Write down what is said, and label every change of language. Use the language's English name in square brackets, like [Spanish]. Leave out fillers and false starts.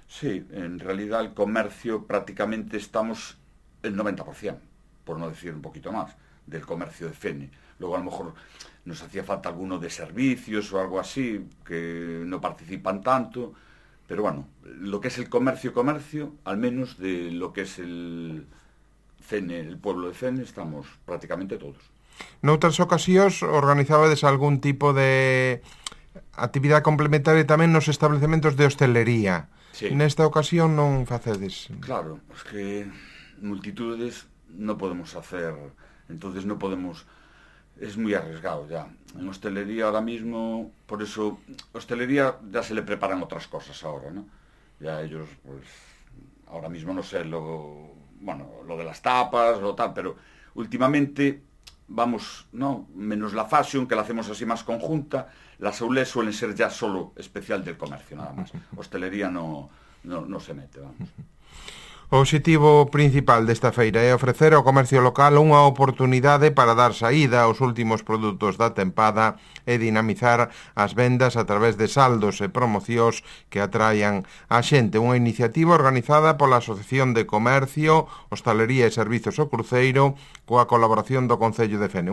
[Spanish] Sí, en realidad el comercio prácticamente estamos el 90%, por no decir un poquito más, del comercio de FENE. Luego a lo mejor nos hacía falta alguno de servicios o algo así, que no participan tanto, pero bueno, lo que es el comercio, al menos de lo que es el FENE, el pueblo de FENE, estamos prácticamente todos. [Galician] Noutras ocasións organizabades algún tipo de actividade complementaria tamén nos establecementos de hostelería. [Spanish] Sí. [Galician] Nesta ocasión non facedes. [Spanish] Claro, es que multitudes non podemos hacer, entonces non podemos. Es muy arriesgado ya. En hostelería ahora mismo, por eso, hostelería ya se le preparan otras cosas ahora, ¿no? Ya ellos, pues, ahora mismo no sé lo, bueno, lo de las tapas o tal, pero últimamente vamos, ¿no? Menos la fashion, que la hacemos así más conjunta, las aulés suelen ser ya solo especial del comercio, nada más. Hostelería no se mete, vamos. [Galician] O obxectivo principal desta feira é ofrecer ao comercio local unha oportunidade para dar saída aos últimos produtos da tempada e dinamizar as vendas a través de saldos e promocións que atraian a xente. Unha iniciativa organizada pola Asociación de Comercio, Hostalería e Servizos o Cruceiro coa colaboración do Concello de FENE.